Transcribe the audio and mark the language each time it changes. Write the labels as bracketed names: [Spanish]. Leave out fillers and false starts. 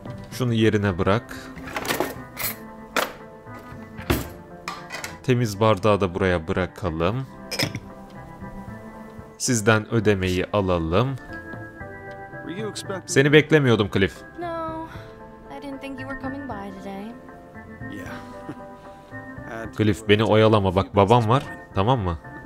[Turkish] Şunu yerine bırak. Temiz bardağı da buraya bırakalım. Sizden ödemeyi alalım. Seni beklemiyordum Cliff. [English] No, I didn't think you were coming by today. [Turkish] Cliff, beni oyalama, bak babam var, tamam mı?